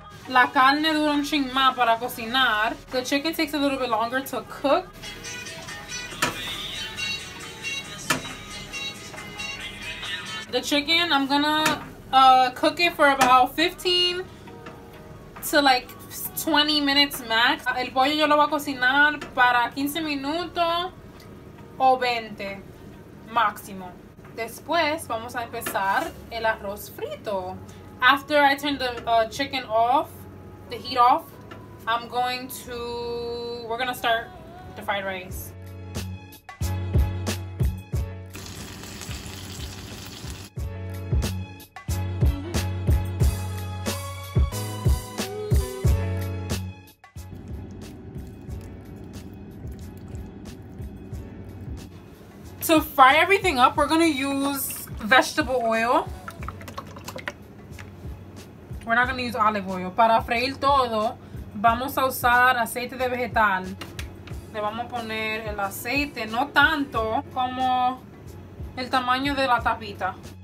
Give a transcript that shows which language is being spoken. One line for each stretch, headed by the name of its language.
Spanish: La carne dura un ching más para cocinar.
English: The chicken takes a little bit longer to cook. The chicken, I'm gonna cook it for about 15 to like 20 20 minutes max.
Spanish: El pollo yo lo voy a cocinar para 15 minutos o 20 máximo. Después vamos a empezar el arroz frito.
English: After I turn the chicken off, the heat off, we're gonna start the fried rice. To fry everything up, we're gonna use vegetable oil. We're not gonna use olive oil.
Spanish: Para freír todo, vamos a usar aceite de vegetal. Le vamos a poner el aceite, no tanto como el tamaño de la tapita.